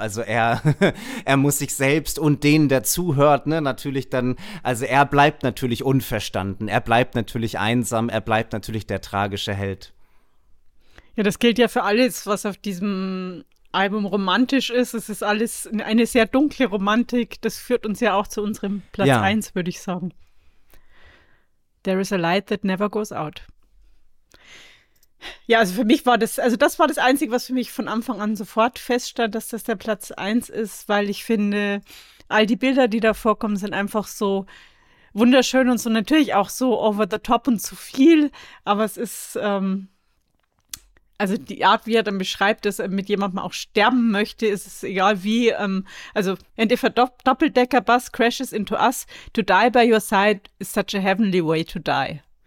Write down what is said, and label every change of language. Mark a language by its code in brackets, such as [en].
[de] Also er, er muss sich selbst und denen, der zuhört, ne, natürlich dann, also er bleibt natürlich unverstanden, er bleibt natürlich einsam, er bleibt natürlich der tragische Held. Ja, das gilt ja für alles, was auf diesem Album romantisch ist. Es ist alles eine sehr dunkle Romantik. Das führt uns ja auch zu unserem Platz 1, würde ich sagen. [en] There is a light that never goes out. [de] Ja, also für mich war das, also das war das Einzige, was für mich von Anfang an sofort feststand, dass das der Platz 1 ist, weil ich finde, all die Bilder, die da vorkommen, sind einfach so wunderschön und so natürlich auch so [en] over the top [de] und zu viel, aber es ist, also die Art, wie er dann beschreibt, dass er mit jemandem auch sterben möchte, ist es egal wie, also [en] and if a doppeldecker bus crashes into us, to die [de] by your side is such a heavenly way to die.